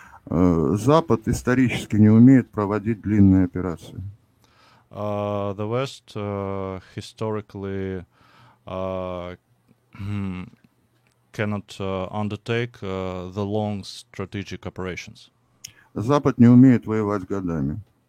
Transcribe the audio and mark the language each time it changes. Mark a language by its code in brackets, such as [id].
[ru] Запад исторически не умеет проводить длинные операции. [en] The West historically cannot undertake the long strategic operations. [ru] Запад не умеет воевать годами.